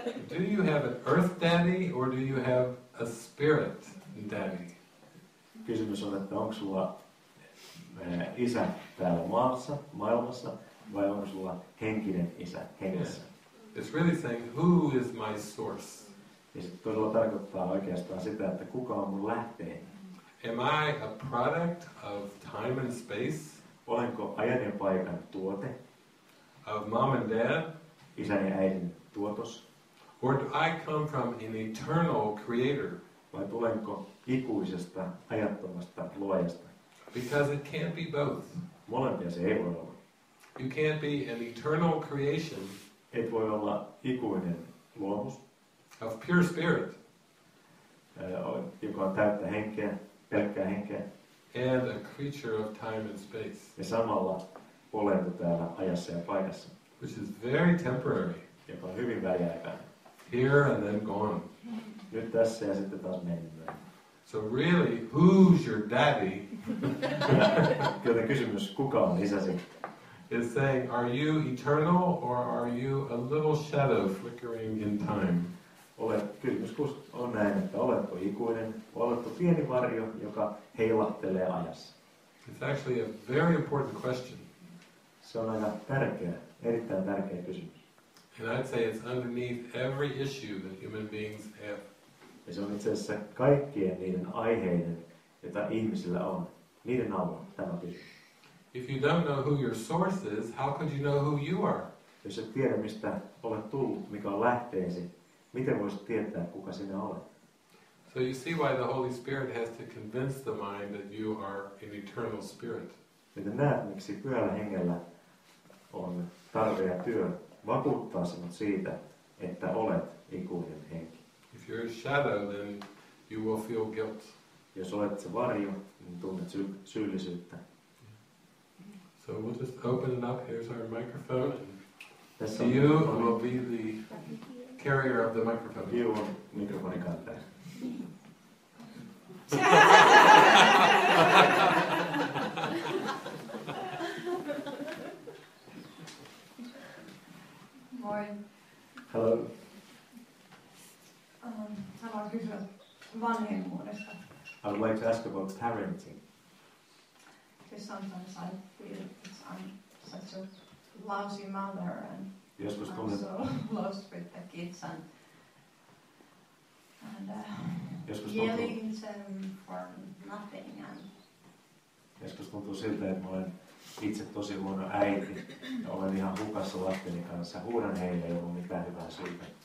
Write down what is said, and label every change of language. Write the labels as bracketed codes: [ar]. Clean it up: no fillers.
[en] Do you have an earth daddy or do you have a spirit daddy? [fi] Kysymys on, että onko sulla isä täällä maassa, maailmassa, vai onko sulla henkinen isä hengessä? [en] It's really saying, who is my source? [fi] Ja se todella tarkoittaa oikeastaan sitä, että kuka on mun lähteeni. [en] Am I a product of time and space? [fi] Olenko ajan ja paikan tuote? [en] Of mom and dad? [fi] Isän ja äidin tuotos? [en] Or do I come from an eternal creator? [fi] Vai tulenko ikuisesta, ajattomasta luojasta? [en] Because it can't be both. [fi] Molempia se ei voi olla. [en] You can't be an eternal creation. [fi] Et voi olla ikuinen luomus. [en] Of pure spirit. [fi] Joka on täyttä henkeä, pelkkää henkeä. [en] And a creature of time and space. [fi] Ja samalla olento täällä ajassa ja paikassa. [en] Which is very temporary. [fi] Joka on hyvin väliaikainen. [en] Here and then gone. [fi] Nyt tässä ja sitten taas mennään. [en] So really, who's your daddy? [fi] Joten kysymys, kuka on isäsi? [en] It's saying, are you eternal or are you a little shadow flickering in time? [fi] Kysymys on näin, että oletko ikuinen, oletko pieni varjo, joka heilahtelee ajassa. [en] It's actually a very important question. [fi] Se on aina tärkeä, erittäin tärkeä kysymys. [en] And I'd say it's underneath every issue that human beings have. [fi] Ja se on itse asiassa kaikkien niiden aiheiden, joita ihmisillä on. Niiden alla tämä kysymys. [en] If you don't know who your source is, how could you know who you are? [fi] Jos et tiedä, mistä olet tullut, mikä on lähteesi, miten voisit tietää, kuka sinä olet? [en] So you see why the Holy Spirit has to convince the mind that you are an eternal spirit. [fi] Joten näet, miksi pyhällä hengellä on tarve ja työ vakuuttaa sinut siitä, että olet ikuinen henki. [en] If you're a shadow, then you will feel guilt. [fi] Jos olet se varjo, niin tunnet syyllisyyttä. [en] So we'll just open it up. Here's our microphone. [fi] Tässä [en] you will be the carrier of the microphone. You [fi] on mikrofoni kantaja. Moi. [en] Hello. [fi] Haluan kysyä vanhemmuudesta. [en] I would like to ask about parenting. Because sometimes I feel that I'm such a lousy mother and [fi] joskus [en] I'm so lost with the kids and yelling at them for nothing and [fi] Joskus tuntuu siltä, että olen itse tosi huono äiti ja olen ihan hukassa lasteni kanssa. Huudan heille, ei ollut mitään hyvää syytä.